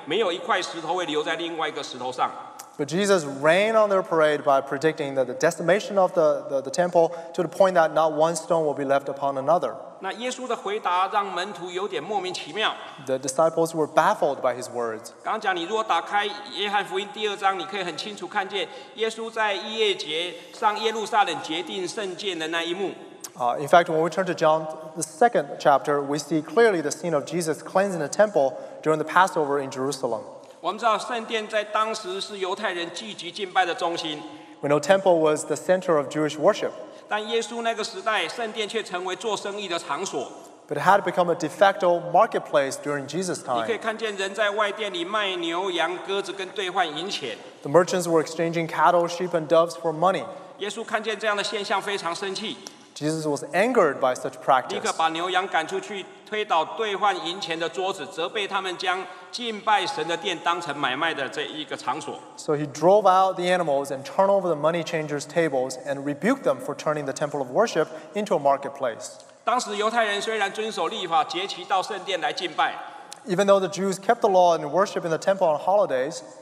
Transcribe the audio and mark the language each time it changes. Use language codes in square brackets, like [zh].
[zh] 但耶稣好像却泼门徒的冷水，告诉门徒说，圣殿要被拆毁，没有一块石头会留在另外一个石头上。 [en] But Jesus rained on their parade by predicting that the decimation of the temple to the point that not one stone will be left upon another. [zh] 那耶稣的回答让门徒有点莫名其妙。 [en] The disciples were baffled by his words. [zh] 刚讲你如果打开约翰福音第二章，你可以很清楚看见耶稣在逾越节上耶路撒冷洁净圣殿的那一幕。 [en] In fact, when we turn to John, the second chapter, we see clearly the scene of Jesus cleansing the temple during the Passover in Jerusalem. [zh] 我们知道圣殿在当时是犹太人聚集敬拜的中心。 [en] We know temple was the center of Jewish worship. [zh] 但耶稣那个时代，圣殿却成为做生意的场所。 [en] but had become a de facto marketplace during Jesus' time. [zh] 你可以看见人在外店里卖牛羊鸽子跟兑换银钱。 [en] The merchants were exchanging cattle, sheep, and doves for money. [zh] 耶稣看见这样的现象非常生气。 [en] Jesus was angered by such practice. [zh] 立刻把牛羊赶出去，推倒兑换银钱的桌子，责备他们将敬拜神的殿当成买卖的这一个场所。 [en] So he drove out the animals and turned over the money changers' tables and rebuked them for turning the temple of worship into a marketplace. [zh] 当时犹太人虽然遵守律法，节期到圣殿来敬拜。 [en] Even though the Jews kept the law and worshiped in the temple on holidays,